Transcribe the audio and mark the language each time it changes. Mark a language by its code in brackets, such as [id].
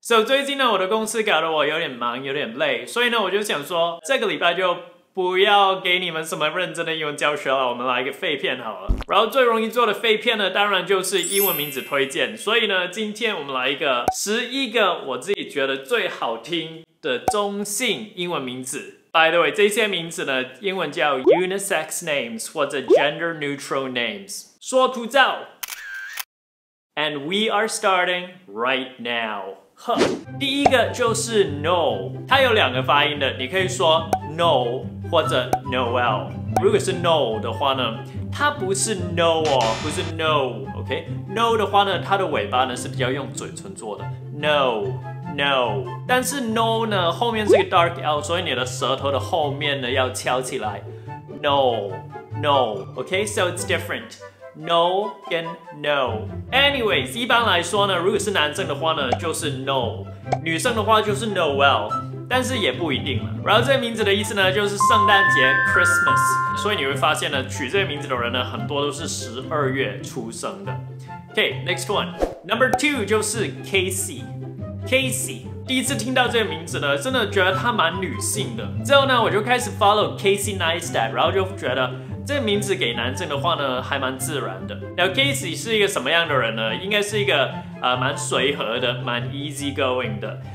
[en] So [zh] 最近呢我的公司搞得我有点忙有点累，所以呢我就想说这个礼拜就不要给你们什么认真的英文教学了，我们来一个废片好了。然后最容易做的废片呢当然就是英文名字推荐，所以呢今天我们来一个11个我自己觉得最好听的中性英文名字。 [en] By the way, [zh] 这些名字呢英文叫 [en] unisex names [zh] 或者 [en] gender neutral names. 说图照 And we are starting right now. [zh] 第一个就是 Noel, 它有两个发音的，你可以说 Noel 或者 Noel. 如果是 Noel 的话呢，它不是 Noel, 不是 Noel, OK? Noel 的话呢，它的尾巴呢是比较用嘴唇做的 Noel. No, 但是 no 呢后面是个 dark L, 所以你的舌头的后面呢要翘起来。 [en] No, no, okay, so it's different. No 跟 no. Anyways, [zh] 一般来说呢，如果是男生的话呢，就是 no, 女生的话就是 Noel, 但是也不一定了。然后这个名字的意思呢，就是圣诞节 Christmas, 所以你会发现呢，取这个名字的人呢，很多都是12月出生的。 [en] Okay, next one, number two [zh] 就是 [en] Casey. [zh] Casey, 第一次听到这个名字呢，真的觉得她蛮女性的。之后呢，我就开始 [en] follow [zh] Casey Neistat, 然后就觉得这个名字给男生的话呢，还蛮自然的。 [en] Now [zh] Casey 是一个什么样的人呢？应该是一个蛮随和的，蛮 [en] easy going [zh] 的。